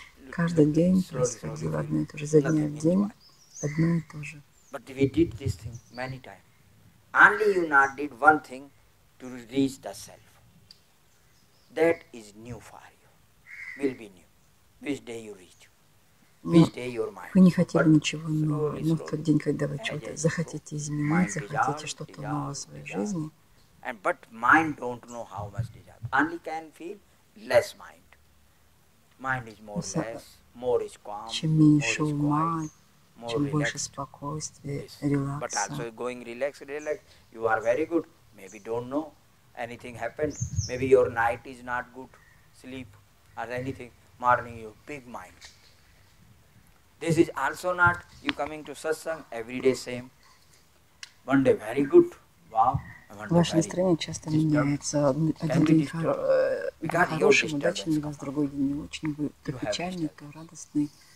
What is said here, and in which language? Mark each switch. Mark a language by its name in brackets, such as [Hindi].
[Russian] Каждый день происходило одно и то же. За дня в день одно и то же. [English] But we did this thing many times. Only you not did one thing to reach the self. That is new for you. Will be new. Which day you reach? Which day your mind? [Russian] Вы не хотели ничего нового, но в тот день, когда вы чего-то захотите изменить, захотите что-то новое в своей жизни. [English] And but mind don't know how much desire. Only can feel less mind. Mind is more less, more is calm. [Russian] Чем меньше ума. Чем больше спокойствия, релакса. [English] But also going relax. You are very good. Maybe don't know anything happened. Maybe your night is not good. Sleep or anything. Morning you big mind. This is also not you coming to satsang every day same. One day very good. Wow. [Russian] Ваше настроение часто меняется. Один день хорошим, удачным, а с другой день не очень. Вы то печальный, то радостный.